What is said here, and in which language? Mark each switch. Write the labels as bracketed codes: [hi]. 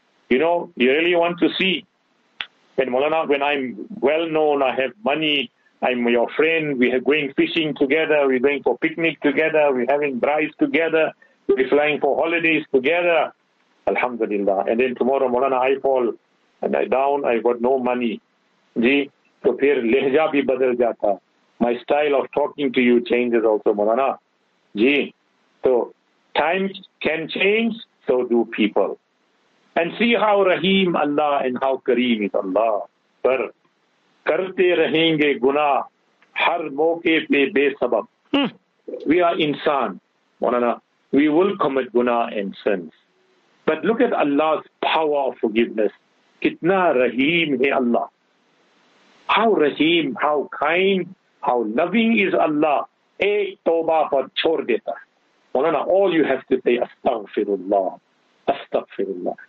[en] You know, you really want to see, when Maulana, when I'm well known, I have money, I'm your friend, we are going fishing together, we're going for picnic together, we're having brides together, we're flying for holidays together. Alhamdulillah. And then tomorrow, Maulana, I fall and I down, I got no money. [ur] جی, تو پھر لہجہ بھی بدل جاتا. [en] My style of talking to you changes also, Maulana. جی, تو times can change, so do people. And see how Rahim Allah and how Kareem is Allah. [ur] پر کرتے رہیں گے گناہ ہر موقع پہ بے سبب. [en] We are insaan, Maulana. We will commit guna and sins. But look at Allah's power of forgiveness. [ur] کتنا رحیم ہے اللہ. [en] How Raheem, how kind, how loving is Allah. [ur] ایک توبہ پر چھوڑ دیتا. مولانا, [en] all you have to say, [ur] استغفراللہ, استغفراللہ.